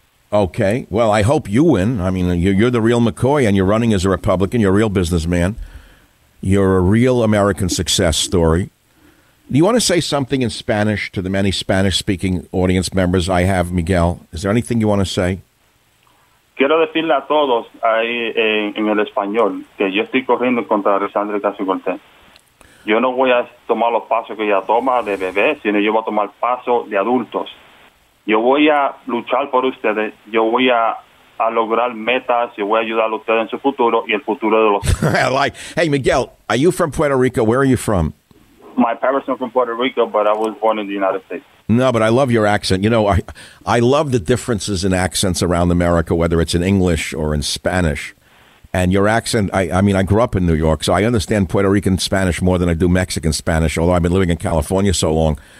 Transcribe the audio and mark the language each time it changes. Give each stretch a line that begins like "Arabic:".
English: Okay. Well, I hope you win. I mean, you're the real McCoy, and you're running as a Republican. You're a real businessman. You're a real American success story. Do you want to say something in Spanish to the many Spanish-speaking audience members I have, Miguel? Is there anything you want to say?
Spanish: Quiero decirle a todos ahí en el español que yo estoy corriendo contra Alexandre Ocasio-Cortez. Yo no voy a tomar los pasos que ella toma de bebé, sino yo voy a tomar pasos de adultos. Yo voy a luchar por ustedes. Yo voy a lograr metas. Yo voy a ayudar a ustedes en su futuro y el futuro de los...
English: Hey, Miguel, are you from Puerto Rico? Where are you from? My parents are from Puerto Rico, but I was born in the United States. No, but I love your accent. You know, I love the differences in accents around America, whether it's in English or in Spanish. And your accent, I mean, I grew up in New York, so I understand Puerto Rican Spanish more than I do Mexican Spanish, although I've been living in California so long.